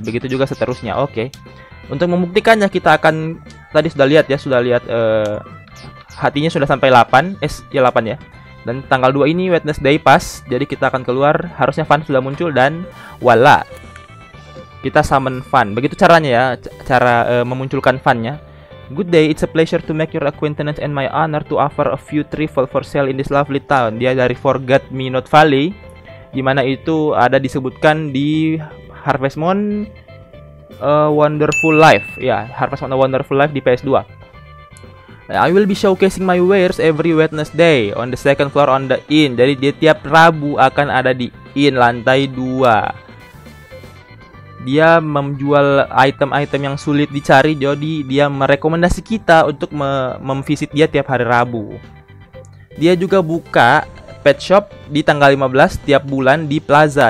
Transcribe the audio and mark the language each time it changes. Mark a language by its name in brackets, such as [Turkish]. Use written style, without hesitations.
[Indonesian] Begitu juga seterusnya. Oke. Untuk membuktikannya kita akan, tadi sudah lihat ya, sudah lihat hatinya sudah sampai 8, ya 8 ya. Dan tanggal 2 ini Wednesday pas, jadi kita akan keluar, harusnya fun sudah muncul dan voila. Kita summon fun. Begitu caranya ya, cara memunculkan funnya. [English] Good day, it's a pleasure to make your acquaintance and my honor to offer a few trifle for sale in this lovely town. [Indonesian] Dia dari Forget Me Not Valley, di mana itu ada disebutkan di Harvest Moon Wonderful Life. Ya, Harvest Moon Wonderful Life di PS2. [English] I will be showcasing my wares every Wednesday on the second floor on the inn. [Indonesian] Jadi dia tiap Rabu akan ada di inn lantai 2. Dia menjual item-item yang sulit dicari, jadi dia merekomendasi kita untuk memvisit dia tiap hari Rabu. Dia juga buka pet shop di tanggal 15 tiap bulan di plaza.